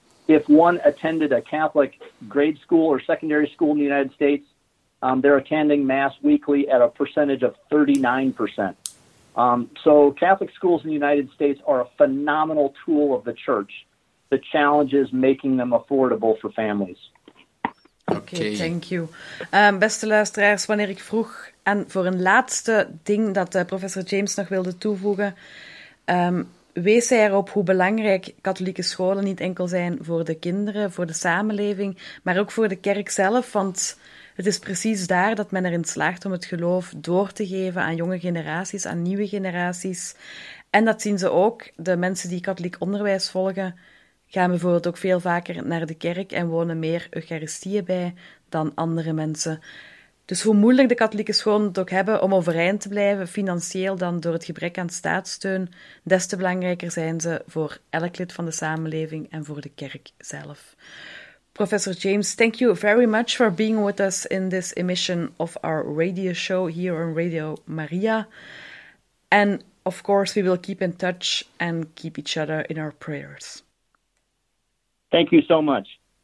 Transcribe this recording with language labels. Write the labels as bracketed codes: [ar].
[en] If one attended a Catholic grade school or secondary school in the United States, they're attending Mass weekly at a percentage of 39%. So Catholic schools in the United States are a phenomenal tool of the church. The challenge is making them affordable for families. Okay, thank you. [nl] Beste luisteraars, wanneer ik vroeg en voor een laatste ding dat professor James nog wilde toevoegen, wees hij erop hoe belangrijk katholieke scholen niet enkel zijn voor de kinderen, voor de samenleving, maar ook voor de kerk zelf, want het is precies daar dat men erin slaagt om het geloof door te geven aan jonge generaties, aan nieuwe generaties. En dat zien ze ook. De mensen die katholiek onderwijs volgen, gaan bijvoorbeeld ook veel vaker naar de kerk en wonen meer eucharistieën bij dan andere mensen. Dus hoe moeilijk de katholieke scholen het ook hebben om overeind te blijven, financieel dan door het gebrek aan staatssteun, des te belangrijker zijn ze voor elk lid van de samenleving en voor de kerk zelf. [en] Professor James, thank you very much for being with us in this emission of our radio show here on Radio Maria. And of course, we will keep in touch and keep each other in our prayers. Thank you so much.